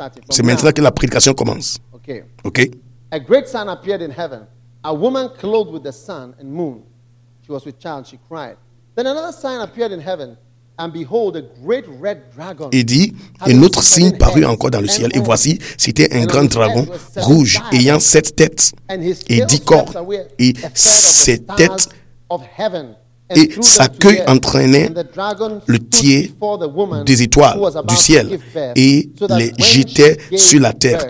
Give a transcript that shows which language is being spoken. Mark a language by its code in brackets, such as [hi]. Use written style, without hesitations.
[fr] C'est maintenant que la prédication commence. Ok. [en] A great sign appeared in heaven. A woman clothed with the sun and moon. She was with child. She cried. Then another sign appeared in heaven. And behold, a great red dragon. [fr] Il dit, un autre signe parut encore dans le ciel. Et voici, c'était un grand dragon rouge, ayant 7 têtes et 10 corps. Et ses têtes et sa queue entraînaient le tiers des étoiles du ciel et les jetaient sur la terre.